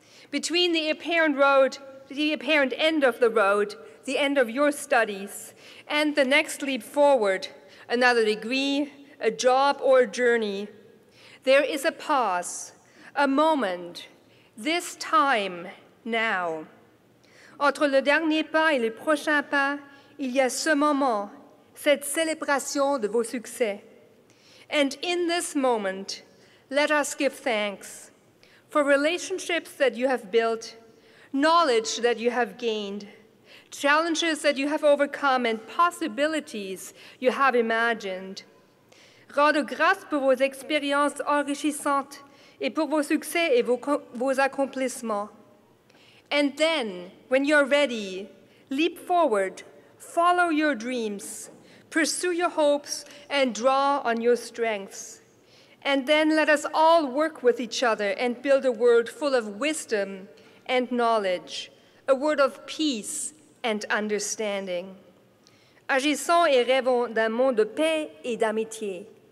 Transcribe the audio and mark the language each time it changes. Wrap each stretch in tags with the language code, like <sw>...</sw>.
<en>Between the apparent road, the apparent end of the road, the end of your studies, and the next leap forward, another degree, a job or a journey, there is a pause. A moment, this time, now.</en> <fr>Entre le dernier pas et le prochain pas, il y a ce moment, cette célébration de vos succès.</fr> <en>And in this moment, let us give thanks for relationships that you have built, knowledge that you have gained, challenges that you have overcome, and possibilities you have imagined.</en> <fr>Rendez grâce pour vos expériences enrichissantes et pour vos succès et vos accomplissements.</fr> <en>And then, when you're ready, leap forward, follow your dreams, pursue your hopes, and draw on your strengths. And then let us all work with each other and build a world full of wisdom and knowledge, a world of peace and understanding.</en> <fr>Agissons et rêvons d'un monde de paix et d'amitié.</fr>